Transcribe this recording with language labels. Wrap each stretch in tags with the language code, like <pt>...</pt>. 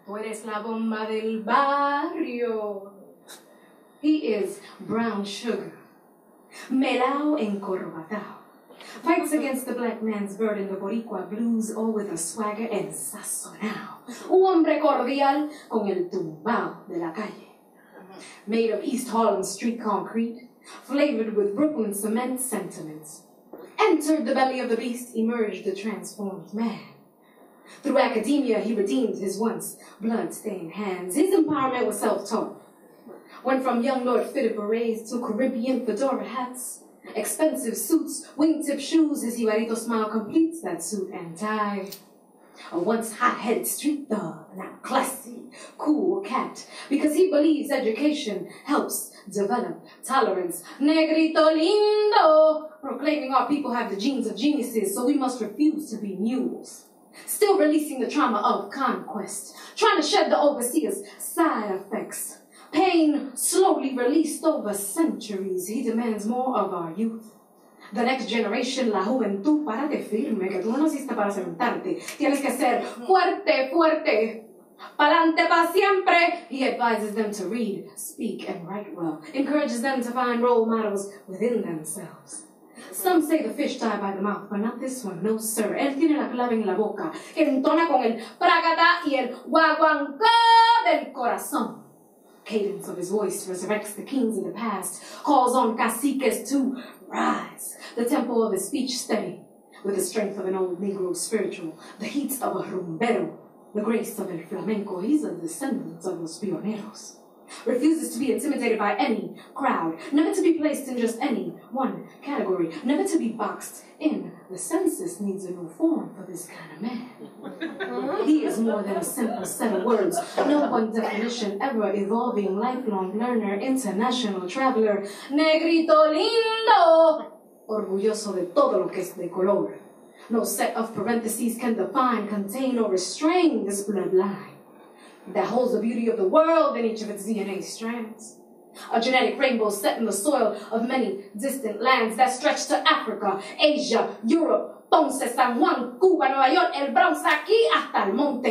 <es>eres la bomba del barrio.</es> <en>He is brown sugar,</en> <es>melao encorvatao.</es> <en>Fights against the black man's bird in the Boricua blues, all with a swagger ensazonao.</en> <es>Un hombre cordial con el tumbao de la calle.</es> <en>Made of East Harlem street concrete, flavored with Brooklyn cement sentiments. Entered the belly of the beast, emerged the transformed man. Through academia, he redeemed his once blood-stained hands. His empowerment was self-taught. Went from young Lord fit of berets to Caribbean fedora hats, expensive suits, wingtip shoes. His Ibarito smile completes that suit and tie. A once hot-headed street thug, now classy, cool cat, because he believes education helps develop tolerance.</en> <es>Negrito lindo,</es> <en>proclaiming our people have the genes of geniuses, so we must refuse to be mules. Still releasing the trauma of conquest, trying to shed the overseer's side effects. Pain slowly released over centuries. He demands more of our youth. The next generation,</en> <es>la juventud, párate firme, que tú no naciste para sentarte. Tienes que ser fuerte, fuerte, pa'lante pa' siempre.</es> <en>He advises them to read, speak, and write well. Encourages them to find role models within themselves. Some say the fish die by the mouth, but not this one, no sir.</en> <es>Él tiene la clave en la boca, que entona con el pragata y el guaguancó del corazón.</es> <en>Cadence of his voice resurrects the kings of the past, calls on caciques to rise. The tempo of his speech steady, with the strength of an old Negro spiritual, the heat of a rumbero, the grace of el flamenco. He's a descendant of los pioneros. Refuses to be intimidated by any crowd, never to be placed in just any one category, never to be boxed in. The census needs a new form for this kind of man. He is more than a simple set of words, no one definition, ever evolving, lifelong learner, international traveler.</en> <es>Negrito lindo, orgulloso de todo lo que es de color.</es> <en>No set of parentheses can define, contain, or restrain this bloodline that holds the beauty of the world in each of its DNA strands. A genetic rainbow set in the soil of many distant lands that stretch to Africa, Asia, Europe, Ponce, San Juan, Cuba, Nueva York, El Bronx,</en> <es>aquí hasta el monte.</es>